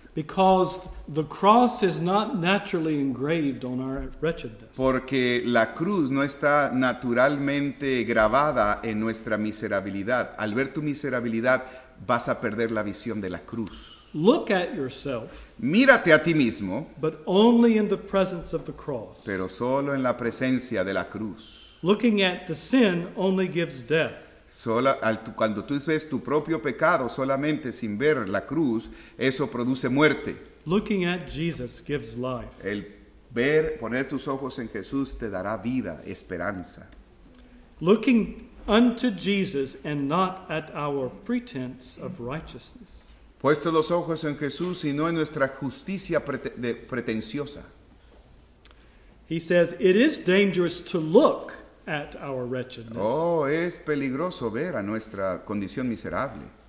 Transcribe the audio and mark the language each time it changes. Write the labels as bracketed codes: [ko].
[en] Because the cross is not naturally engraved on our wretchedness. [es] Porque la cruz no está naturalmente grabada en nuestra miserabilidad. Al ver tu miserabilidad, vas a perder la visión de la cruz. [en] Look at yourself. [es] Mírate a ti mismo. [en] But only in the presence of the cross. [es] Pero solo en la presencia de la cruz. [en] Looking at the sin only gives death. [es] Cuando tú ves tu propio pecado solamente sin ver la cruz, eso produce muerte. [en] Looking at Jesus gives life. [es] El ver, poner tus ojos en Jesús te dará vida, esperanza. [en] Looking unto Jesus and not at our pretense of righteousness. [es] Puesto los ojos en Jesús y no en nuestra justicia pretenciosa. [en] He says, it is dangerous to look at our wretchedness. [es] Oh, es peligroso ver a nuestra condición miserable.